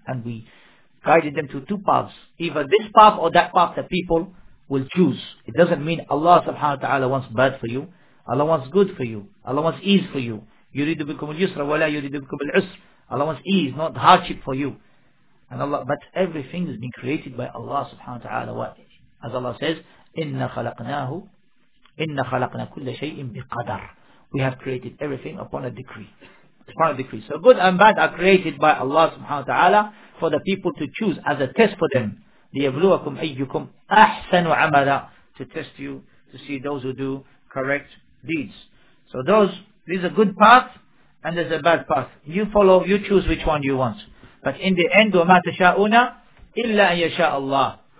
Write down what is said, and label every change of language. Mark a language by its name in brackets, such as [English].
[English] And we guided them to two paths. Either this path or that path that people will choose. It doesn't mean Allah subhanahu wa ta'ala wants bad for you. Allah wants good for you. Allah wants ease for you. [Arabic] يُرِيدُ بِكُمُ الْيُسْرَ وَلَا يُرِيدُ بِكُمُ الْعُسْرَ. [English] Allah wants ease, not hardship for you. And Allah, but everything has been created by Allah subhanahu wa ta'ala. As Allah says, [Arabic] إِنَّ خَلَقْنَا كُلَّ شَيْءٍ بِقَدَرٍ. [English] We have created everything upon a decree. Upon a decree. So good and bad are created by Allah subhanahu wa ta'ala for the people to choose as a test for them. [Arabic] لِيَبْلُوَكُمْ أَيُّكُمْ أَحْسَنُ عَمَلًا. [English] To test you, to see those who do correct deeds. So this is a good path and there's a bad path. You follow, you choose which one you want. But in the end, [Arabic] وَمَا تَشَاءُونَ إِلَّا أَن يَشَاءَ اللَّهِ.